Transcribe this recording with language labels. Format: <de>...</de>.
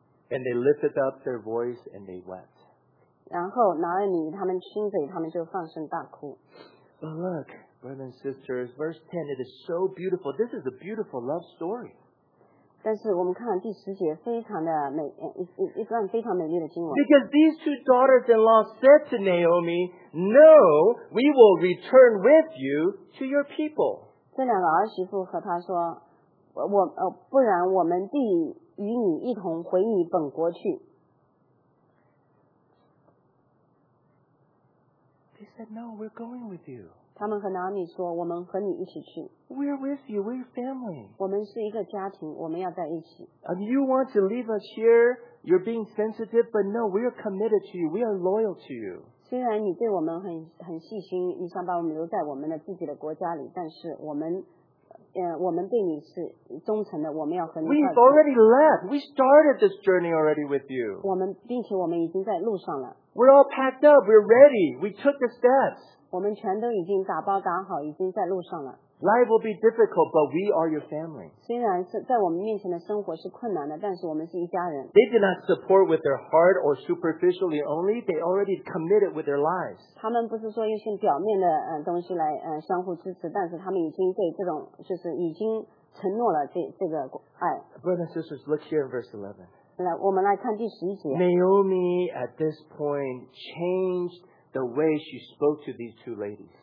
<en>And they lifted up their voice and they wept.</en> <zh>然后拿俄米他们亲嘴，他们就放声大哭。</zh> <en>But look, brothers and sisters, verse 10, it is so beautiful. This is a beautiful love story.</en> <zh>但是我们看第十节，非常的美，一段非常美丽的经文。</zh> <en>Because these two daughters-in-law said to Naomi, "No, we will return with you to your people."</en> <zh>这两个儿媳妇和她说，不然我们必与你一同回你本国去。</zh> <en>They said, "No, we're going with you."</en> <zh>他们和拿俄米说，我们和你一起去。</zh> <en>We're with you. We're family.</en> <zh>我们是一个家庭，我们要在一起。</zh> <en>And you want to leave us here? You're being sensitive, but no, we're committed to you. We are loyal to you.</en> <zh>虽然你对我们很细心，你想把我们留在我们的自己的国家里，但是我们。我们对你是忠诚的，我们要和你。</zh> <en>We've already left. We started this journey already with you.</en> <zh>我们并且我们已经在路上了。</zh> <en>We're all packed up. We're ready. We took the steps.</en> <zh>我们全都已经打包打好，已经在路上了。</zh> <en>Life will be difficult, but we are your family.</en> <zh>虽然是在我们面前的生活是困难的，但是我们是一家人。</zh> <en>They did not support with their heart or superficially only. They already committed with their lives.</en> <zh>他们不是说用些表面的东西来相互支持，但是他们已经对这种就是已经承诺了这个爱。</zh> <en>Brothers and sisters, look here in verse 11.</en> <zh>来，我们来看第十一节。</zh> <en>Naomi at this point changed. The way she spoke to these two ladies.</en>